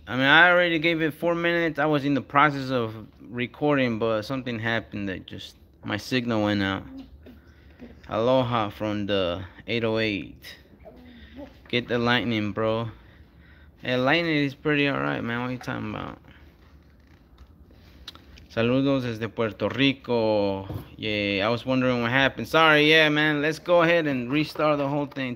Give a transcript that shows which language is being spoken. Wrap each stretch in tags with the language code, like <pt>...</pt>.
<en>I mean, I already gave it 4 minutes. I was in the process of recording, but something happened that just my signal went out. Aloha from the 808. Get the lightning, bro. Hey, lightning is pretty alright, man. What are you talking about?</en> <es>Saludos desde Puerto Rico.</es> <en>Yeah, I was wondering what happened. Sorry, yeah, man. Let's go ahead and restart the whole thing.</en>